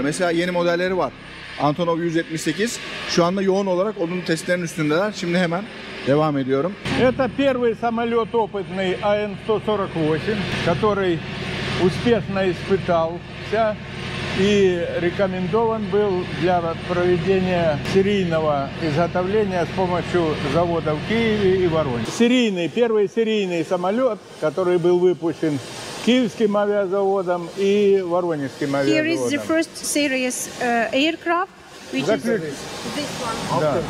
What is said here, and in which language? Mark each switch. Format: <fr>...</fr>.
<tr>Mesela yeni modelleri var. Antonov 178 şu anda yoğun olarak onun testlerinin üstündeler. Şimdi hemen devam ediyorum.</tr> <ru>Это первый самолет опытный AN-148, который успешно испытался и рекомендован был для проведения серийного изготовления с помощью завода в Киеве и Воронеже. Первый серийный самолет, который был выпущен Киевским авиазаводом и Воронежским авиазаводом.</ru> <en>Here is the first serious aircraft, which is this one.</en>